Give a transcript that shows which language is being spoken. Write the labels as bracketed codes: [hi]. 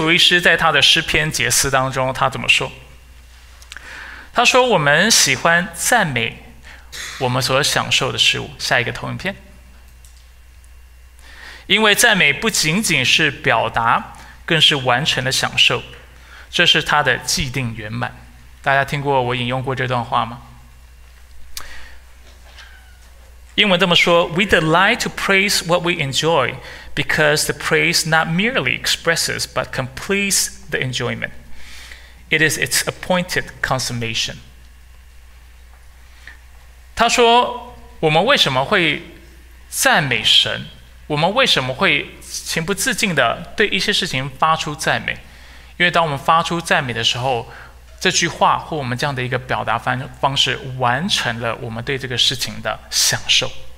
[zh] 路易斯在他的诗篇解思当中，他怎么说？他说，我们喜欢赞美我们所享受的事物。下一个投影片。因为赞美不仅仅是表达，更是完成的享受，这是它的既定圆满。大家听过我引用过这段话吗？英文这么说， [en] We delight to praise what we enjoy because the praise not merely expresses but completes the enjoyment. It is its appointed consummation. [zh] 他说，我们为什么会赞美神，我们为什么会情不自禁的对一些事情发出赞美？因为当我们发出赞美的时候，这句话或我们这样的一个表达方式完成了我们对这个事情的享受。